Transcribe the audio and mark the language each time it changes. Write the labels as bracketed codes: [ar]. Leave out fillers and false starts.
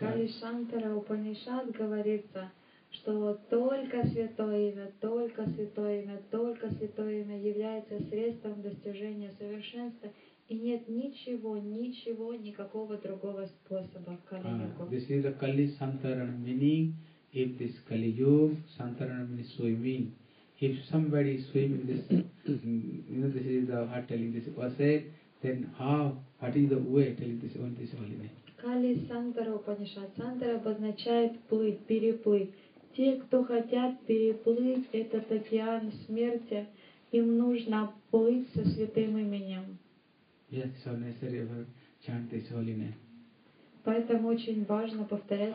[ru] Kali Shantara Upanishad говорится, что только святое имя является средством достижения совершенства, и нет ничего, никакого другого способа в Кали-югу. [en] This is the Kali Santarana meaning, if this Kali-yug, Santarana means swimming. If somebody is swimming this, you know, this is the heart telling this verse, then how, what is the way telling this one, this holy name? [ru] Kali Santara Upanishad. Santara обозначает плыть, переплыть. Те, кто хотят переплыть этот океан смерти, им нужно плыть со святым именем. [en] Yes, so necessary to chant this holy name. [ru] Поэтому очень важно повторять